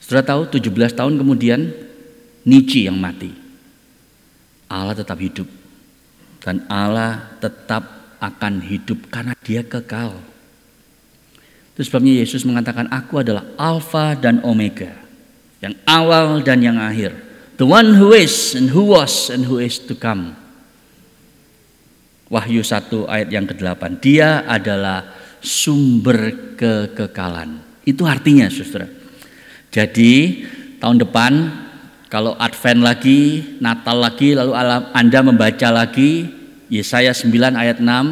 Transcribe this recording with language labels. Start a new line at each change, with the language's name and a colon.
Indonesian: Setelah tahu 17 tahun kemudian Nietzsche yang mati. Allah tetap hidup. Dan Allah tetap akan hidup karena dia kekal. Itu sebabnya Yesus mengatakan aku adalah Alpha dan Omega. Yang awal dan yang akhir.
English: The one who is and who was and who is to come.
Indonesian: Wahyu 1 ayat yang ke-8. Dia adalah sumber kekekalan. Itu artinya, saudara. Jadi tahun depan kalau Advent lagi, Natal lagi, lalu Anda membaca lagi Yesaya 9 ayat 6,